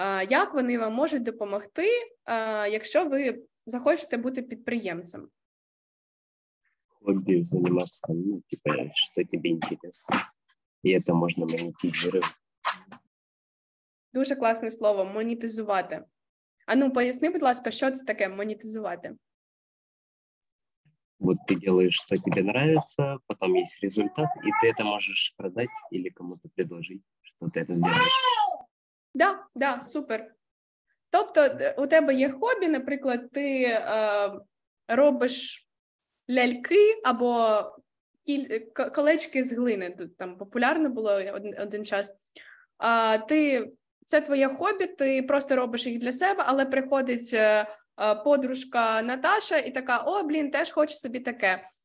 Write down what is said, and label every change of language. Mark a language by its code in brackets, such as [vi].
[uk] Як вони вам можуть допомогти, якщо ви захочете бути підприємцем? Хобі займатися, ну, типу, що тобі інтересно. І це можна монетизувати. Дуже класне слово – монетизувати. Ану, поясни, будь ласка, що це таке – монетизувати? [ru] Вот ты делаешь, что тебе нравится, потом есть результат, и ты это можешь продать или кому-то предложить, что ты это сделаешь. Да, да, супер. [uk] Тобто у тебе є хобі, наприклад, ти робиш ляльки або колечки з глини, тут там популярно було один час. Це твоє хобі, ти просто робиш їх для себе, але приходить подружка Наташа і така, о, блін, теж хочу собі таке.